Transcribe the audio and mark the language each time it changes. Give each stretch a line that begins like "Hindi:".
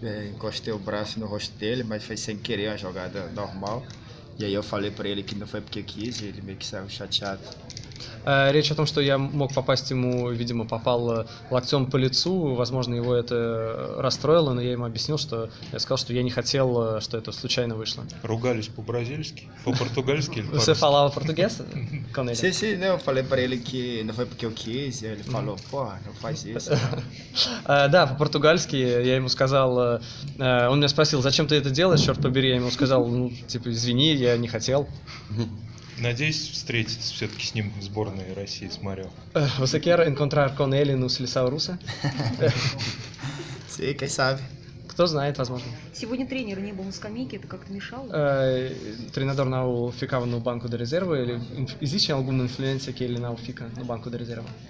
Portuguese: Encostei o braço no rosto dele, mas foi sem querer, uma jogada normal. E aí eu falei para ele que não foi porque quis, e ele meio que saiu chateado.
Russian: Речь о том, что я мог попасть ему, видимо, попал локтем по лицу, возможно, его это расстроило, но я ему объяснил, что я сказал, что я не хотел, что это случайно вышло. Ругались по-бразильски? По-португальски?
Portuguese: Você falava português com ele? Sim, sim, eu falei para ele que não foi porque eu quis, ele falou, pô, não faz isso.
Russian: Да, по-португальски я ему сказал, он меня спросил, зачем ты это делаешь, черт побери, я ему сказал, ну, типа, извини, я не хотел. Надеюсь, встретиться все-таки с ним в сборной России, с Марио.
Portuguese: Você quer encontrar com ele no Seleção Russa? Sim, quem sabe.
Russian: Кто знает, возможно. Сегодня тренер не был на скамейке, это как-то мешало?
Portuguese: Тренер não ficava no banco de reserva? Или existe alguma influência que ele não fica no banco de reserva?